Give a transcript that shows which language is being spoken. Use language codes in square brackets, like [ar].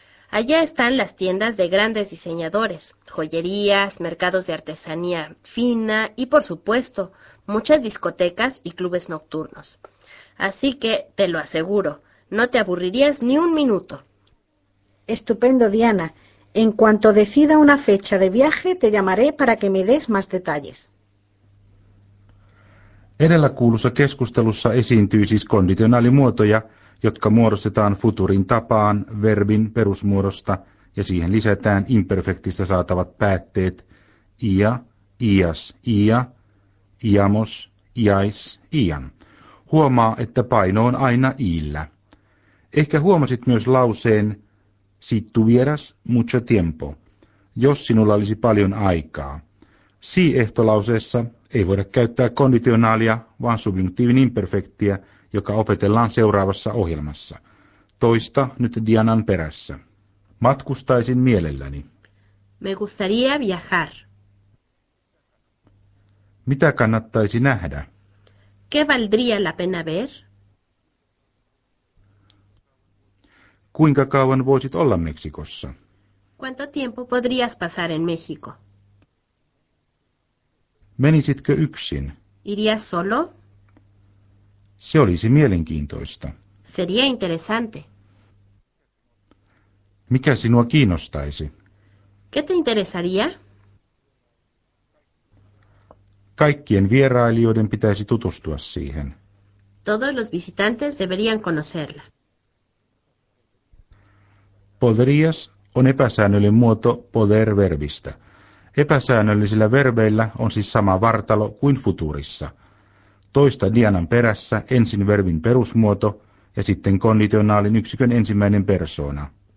[es] Allá están las tiendas de grandes diseñadores, joyerías, mercados de artesanía fina y, por supuesto, muchas discotecas y clubes nocturnos. Así que, te lo aseguro, no te aburrirías ni un minuto. Estupendo, Diana. En cuanto decida una fecha de viaje, te llamaré para que me des más detalles. [fi] Edellä kuulussa keskustelussa esiintyy siis kondisionaalimuotoja, jotka muodostetaan futurin tapaan verbin perusmuodosta ja siihen lisätään imperfektistä saatavat päätteet ia, ias, ia, iamos, iais, ian. Huomaa, että paino on aina iillä. Ehkä huomasit myös lauseen [es] si tuvieras mucho tiempo, [fi] jos sinulla olisi paljon aikaa. Si-ehtolauseessa ei voida käyttää konditionaalia, vaan subjunktiivin imperfektiä, joka opetellaan seuraavassa ohjelmassa. Toista nyt Dianan perässä. Matkustaisin mielelläni. [es] Me gustaría viajar. [fi] Mitä kannattaisi nähdä? [es] ¿Qué valdría la pena ver? [fi] Kuinka kauan voisit olla Meksikossa? [es] ¿Cuánto tiempo podrías pasar en México? [fi] Menisitkö yksin? [es] ¿Irías solo? [fi] Se olisi mielenkiintoista. [es] Sería interesante. [fi] Mikä sinua kiinnostaisi? [es] ¿Qué te interesaría? [fi] Kaikkien vierailijoiden pitäisi tutustua siihen. [es] Todos los visitantes deberían conocerla. [fi] Podrías on epäsäännöllinen muoto poder-verbistä. Epäsäännöllisillä verbeillä on siis sama vartalo kuin futurissa. Toista Dianan perässä ensin verbin perusmuoto ja sitten konditionaalin yksikön ensimmäinen persona.